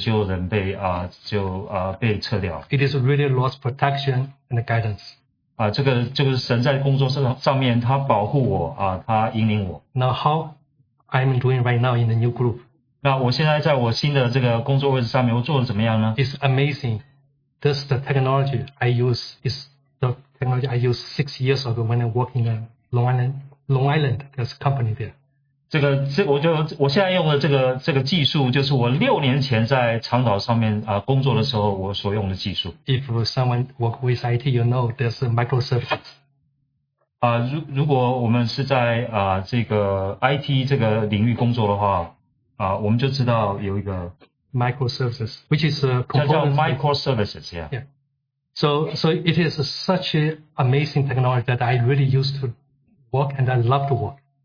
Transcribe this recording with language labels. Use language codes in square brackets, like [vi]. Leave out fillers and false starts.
[zh] 那我就跟我的姊妹说，就在上个礼拜的时候，我们知道的名字就有人被撤掉。 [en] It is really Lord's protection and guidance. [zh] 这个神在工作上面，他保护我，他引领我。 [en] Now how I'm doing right now in the new group? [zh] 那我现在在我新的这个工作位置上面，我做的怎么样呢？ [en] It's amazing. This the technology I use is the technology I used 6 years ago when I worked in the Long Island this company there. [zh] 这个我现在用的这个技术，就是我6年前在长岛上面工作的时候我所用的技术。 [en] If someone work with IT, you know there's a microservices. [zh] 如果我们是在这个 IT 这个领域工作的话，我们就知道有一个 [en] microservices, which is a component. [zh] 叫 microservices, yeah. [en] So it is such an amazing technology that I really used to work and I love to work.